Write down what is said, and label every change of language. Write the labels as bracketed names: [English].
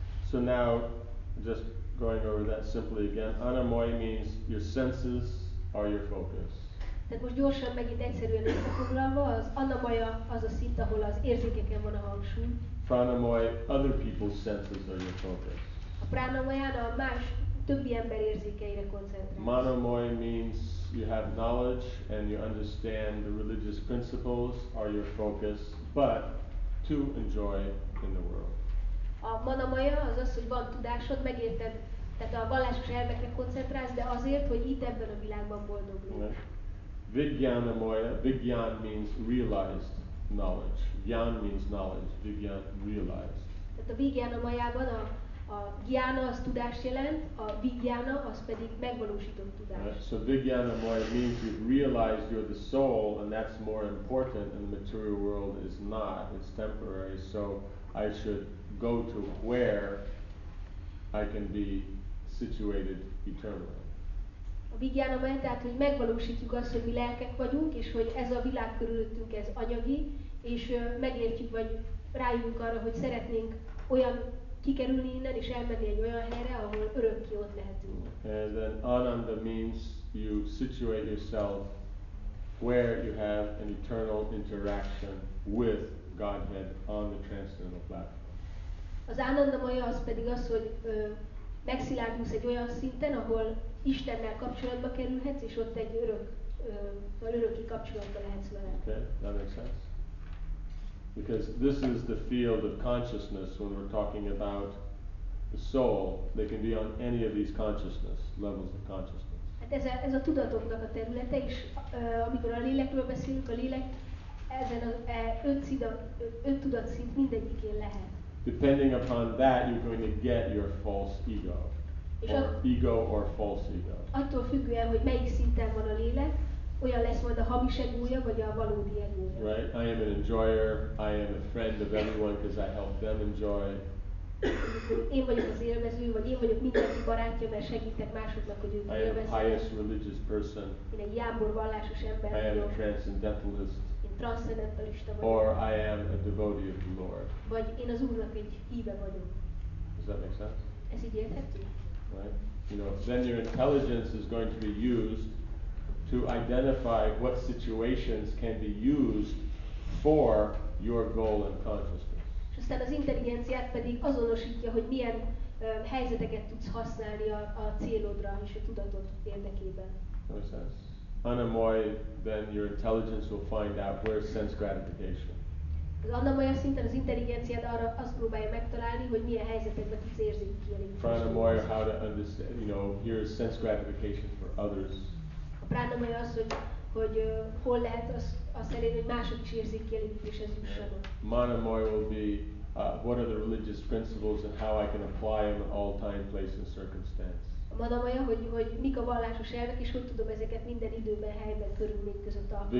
[English] So now, just going over that simply again, anamoy means your senses are your focus. [Hungarian] Tehát most gyorsan megint egyszerűen összefoglalva, az anamaya az a szint, ahol az érzékeken van a hangsúly. [English] Pranamaya, other people's senses are your focus. [Hungarian] A pranamayán a más, többi ember érzékeire koncentrálsz. [English] Manamaya means you have knowledge and you understand the religious principles are your focus, but to enjoy in the world. [Hungarian] A manamaya az az, hogy van tudásod, megérted, tehát a vallásos elmekre koncentrálsz, de azért, hogy itt ebben a világban boldog legyél. [English] Vigyanamaya, vigyan means realized knowledge. Gyan means knowledge, vigyan realized. [Hungarian] Tehát a vigyanamayában a gyana az tudást jelent, a vigyana az pedig megvalósított tudás. [English] Right. So vigyanamaya means you've realized you're the soul and that's more important and the material world is not, it's temporary. So I should go to where I can be situated eternally. [Hungarian] A vigyánamaja, tehát hogy megvalósítjuk azt, hogy mi lelkek vagyunk, és hogy ez a világ körülöttünk, ez anyagi, és megértjük, vagy rájövünk arra, hogy szeretnénk olyan kikerülni innen, és elmenni egy olyan helyre, ahol örökké ott lehetünk. [English] And then ananda means you situate yourself where you have an eternal interaction with Godhead on the transcendental platform. [Hungarian] Az ánandamaja az pedig az, hogy megszilárdulsz egy olyan szinten, ahol Istennel kapcsolatba kerülhetsz, és ott egy öröki kapcsolatban lehetsz vele. [English] Okay, that makes sense. Because this is the field of consciousness when we're talking about the soul. They can be on any of these consciousness, levels of consciousness. [Hungarian] Hát ez a tudatoknak a területe, és amikor a lélekről beszélünk, a lélek ezen az öntudatszint mindegyikén lehet. [English] Depending upon that, you're going to get your false ego, or false ego. [Hungarian] Attól függően, hogy melyik szinten van a lélek, olyan lesz majd a hamis egója, vagy a valódi egója. [English] Right? I am an enjoyer. I am a friend of everyone because I help them enjoy. [Hungarian] Én vagyok az élvező, vagy én vagyok mindenki barátja, mert segítek másoknak, hogy ők élvezzenek. [English] I am a highest religious person. [Hungarian] Én egy jámbor vallásos ember vagyok. [English] I am a transcendentalist. Or I am a devotee of the Lord. [Hungarian] Vagy én az Úrnak egy híve vagyok. [English] Does that make sense? [Hungarian] Ez így érthető? [English] Right. You know, then your intelligence is going to be used to identify what situations can be used for your goal and consciousness. [Hungarian] És aztán az intelligenciát pedig azonosítja, hogy milyen helyzeteket tudsz használni a célodra és a tudatod érdekében. [English] Does that make sense? Anamoy, then your intelligence will find out where sense gratification. [Hungarian] Az anamoya szinten az intelligenciád arra azt próbálja megtalálni, hogy milyen helyzetekben tudsz érzékelni. [English] Pranamoya, how to understand, you know, here is sense gratification for others. [Hungarian] A pranamoya az, hogy hol lehet az elérni, hogy mások is érzékeljék, és ez jusson. [English] Manamoya will be what are the religious principles and how I can apply them in all time, place and circumstance. [Hungarian] Manamaya, hogy mik a vallásos elvek, és hogy tudom ezeket minden időben, helyben, körülmény között alkalmazni.